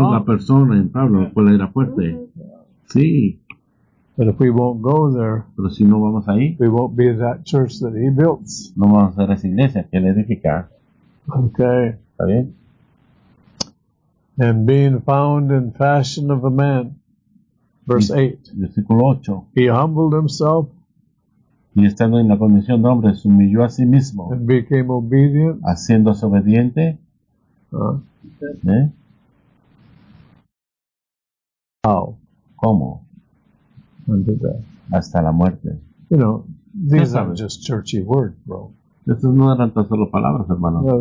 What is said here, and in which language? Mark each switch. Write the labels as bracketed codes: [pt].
[es] Era Dios la persona en Pablo, cual era fuerte. Sí. [en] But if we won't go there, [es] pero si no vamos ahí, [en] we won't be that church that he built. [es] No vamos a ser esa iglesia que él edifica. [en] Okay. [es] ¿Está bien? [en] And being found in fashion of a man. Verse 8. He humbled himself. [es] Y estando en la condición de hombre, se humilló a sí mismo. [en] And became obedient. [es] Haciéndose obediente. [en] How? [es] ¿Cómo? [en] Under death. [es] Hasta la muerte. [en] You know, these aren't just churchy words, bro. [es] Estas no eran tan solo palabras, hermano.